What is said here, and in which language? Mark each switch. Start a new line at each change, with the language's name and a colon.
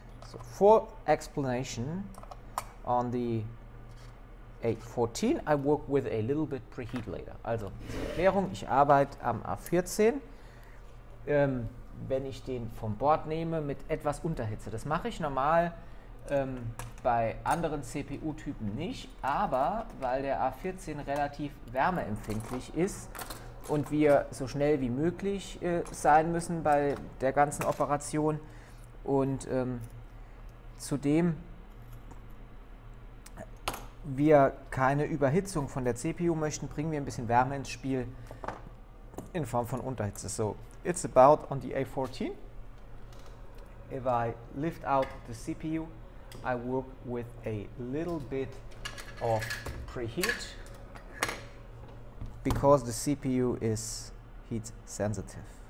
English: So for explanation, on the A14 I work with a little bit preheat later.
German: Also Erklärung, ich arbeite am A14. Wenn ich den vom Board nehme mit etwas Unterhitze, das mache ich normal bei anderen CPU-Typen nicht, aber weil der A14 relativ wärmeempfindlich ist und wir so schnell wie möglich sein müssen bei der ganzen Operation. Und zudem wir keine Überhitzung von der CPU möchten, bringen wir ein bisschen Wärme ins Spiel in Form von Unterhitze.
English: So, it's about on the A14. If I lift out the CPU, I work with a little bit of preheat, because the CPU is heat sensitive.